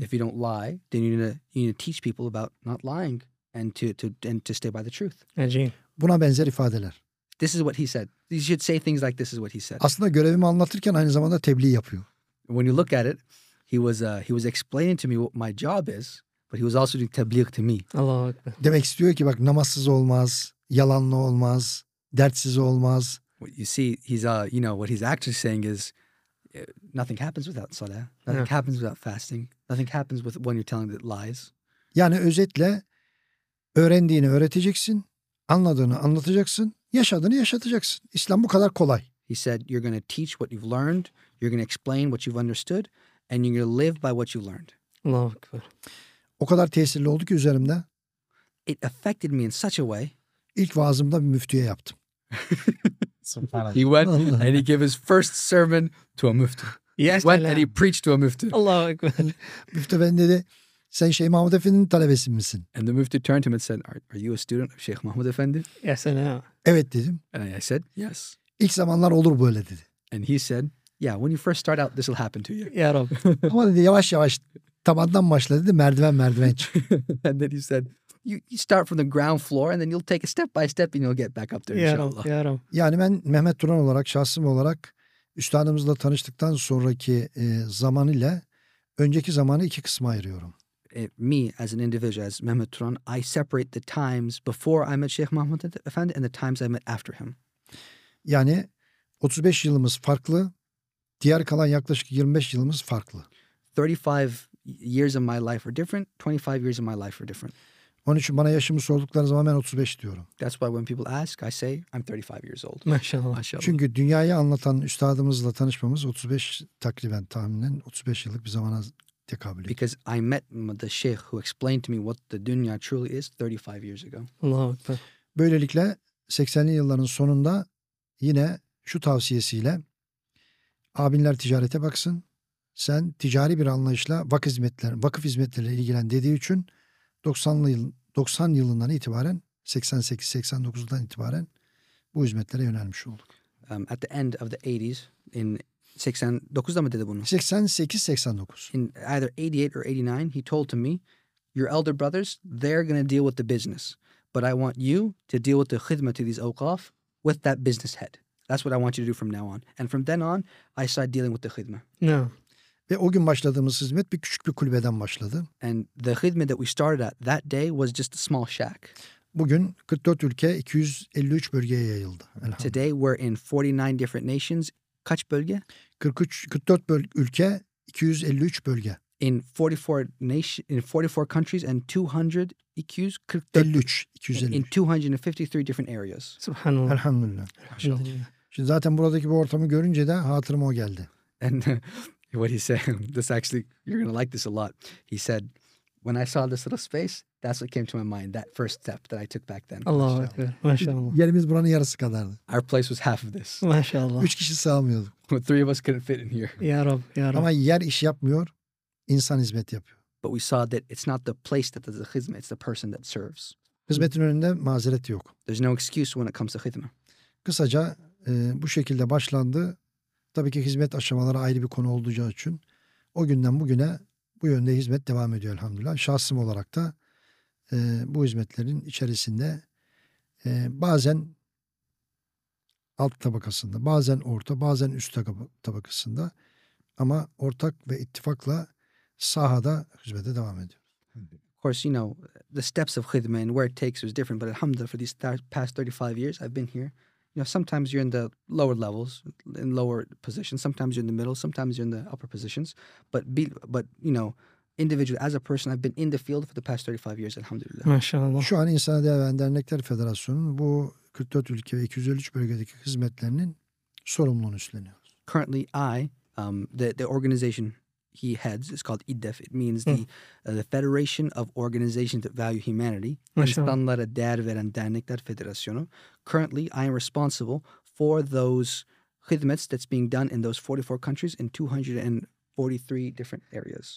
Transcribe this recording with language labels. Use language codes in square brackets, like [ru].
[en] If you don't lie, then you need to teach people about not lying and to stay by the truth. [tr] Buna benzer ifadeler. [en] This is what he said. You should say things like this is what he said. [tr] Aslında görevimi anlatırken aynı zamanda tebliğ yapıyor. [en] When you look at it, he was explaining to me what my job is, but he was also doing tebliğ to me. [ar] Allah Akbar. [tr] Demek istiyor ki, bak, namazsız olmaz, yalanlı olmaz, dertsiz olmaz. [en] What you see, he's you know, what he's actually saying is, nothing happens without salah. Nothing happens without fasting. Nothing happens with when you're telling the lies. [tr] Yani özetle, öğrendiğini öğreteceksin, anladığını anlatacaksın, yaşadığını yaşatacaksın. İslam bu kadar kolay. [en] He said, you're going to teach what you've learned, you're going to explain what you've understood, and you're going to live by what you've learned. [ar] Allahu Akbar. [tr] O kadar tesirli oldu ki üzerimde. [en] It affected me in such a way. [tr] İlk vaazımda bir müftüye yaptım. [en] He went and he gave his first sermon to a müftü. Yes, he went and he preached to a müftü. [tr] Allahu Ekber. Müftü ben dedi, sen Şeyh Mahmud Efendi'nin talebesin misin? [en] And the müftü turned to him and said, are you a student of Şeyh Mahmud Efendi? Yes, I know. [tr] Evet dedim. [en] And I said, yes. [tr] İlk zamanlar olur böyle dedi. [en] And he said, yeah, when you first start out, this will happen to you. [ar] Ya Rabbi. [tr] Ama dedi, yavaş yavaş tabandan başla dedi, merdiven merdiven çık. [en] And then he said, You start from the ground floor and then you'll take it step by step and you'll get back up there, inşallah. [tr] Yarım. Yani ben Mehmet Turan olarak, şahsım olarak üstadımızla tanıştıktan sonraki zaman ile önceki zamanı iki kısma ayırıyorum. [en] Me as an individual, as Mehmet Turan, I separate the times before I met Sheikh Mahmud Efendi and the times I met after him. [tr] Yani 35 yılımız farklı, Diğer kalan yaklaşık 25 yılımız farklı. [en] 35 years of my life are different. 25 years of my life are different. [tr] Onun için bana yaşımı sordukları zaman ben 35 diyorum. [en] That's why when people ask, I say I'm 35 years old. [tr] Maşallah, maşallah. Çünkü dünyayı anlatan üstadımızla tanışmamız 35 takriben tahminen 35 yıllık bir zamana tekabül ediyor. [en] Because I met the sheikh who explained to me what the dünya truly is 35 years ago. [tr] Allahu Ekber. Böylelikle 80'li yılların sonunda yine şu tavsiyesiyle abinler ticarete baksın. Sen ticari bir anlayışla vakıf hizmetleriyle ilgilen dediği için 90 yılından itibaren 88-89'dan itibaren bu hizmetlere yönelmiş olduk. [en] At the end of the 80s in [tr] 89'da mı dedi bunu? 88-89. [en] In either 88 or 89 he told to me your elder brothers they're going to deal with the business but I want you to deal with the khidmat to these awqaf with that business head. That's what I want you to do from now on. And from then on I started dealing with the khidmat. No. [tr] Ve o gün başladığımız hizmet bir küçük bir kulübeden başladı. [en] And the khidmat that we started at that day was just a small shack. [tr] Bugün 44 ülke 253 bölgeye yayıldı. [en] Today we're in 49 different nations. [tr] Kaç bölge? 44 ülke 253 bölge. [en] In 44 nation, in 44 countries and 253 in 253 different areas. [ar] Subhanallah. [tr] Elhamdülillah. Elhamdülillah. Şimdi zaten buradaki bu ortamı görünce de hatırıma o geldi. [en] And what he said, this actually, you're going to like this a lot. He said, when I saw this little space, that's what came to my mind, that first step that I took back then. [tr] Allah maşallah. Yerimiz buranın yarısı kadardı. [en] Our place was half of this. [tr] Maşallah. Üç kişi sığamıyorduk. [en] But three of us couldn't fit in here. [tr] Ya Rab, ya Rab. Ama yer iş yapmıyor, insan hizmet yapıyor. [en] But we saw that it's not the place that does the khidmat, it's the person that serves. [tr] Hizmetin önünde mazeret yok. There's no excuse when it comes to khidmat. Kısaca bu şekilde başlandı. Tabii ki hizmet aşamaları ayrı bir konu olacağı için o günden bugüne bu yönde hizmet devam ediyor elhamdülillah. Şahsım olarak da bu hizmetlerin içerisinde bazen alt tabakasında, bazen orta, bazen üst tabakasında ama ortak ve ittifakla sahada hizmete devam ediyor. [en] Of course, you know, the steps of khidmet and where it takes is different, but alhamdulillah for these past 35 years I've been here. You know, sometimes you're in the lower levels, in lower positions. Sometimes you're in the middle. Sometimes you're in the upper positions. But you know, individually, as a person, I've been in the field for the past 35 years, alhamdülillah. [tr] Maşallah. Şu an İnsana Değer Veren Dernekler Federasyonu'nun bu 44 ülke ve 253 bölgedeki hizmetlerinin sorumluluğunu üstleniyoruz. [en] Currently, I, the organization he heads is called IDEF. It means the Federation of Organizations that Value Humanity. İnsanlara Değer Veren Dernekler Federasyonu. Currently, I am responsible for those khidmets that's being done in those 44 countries in 243 different areas.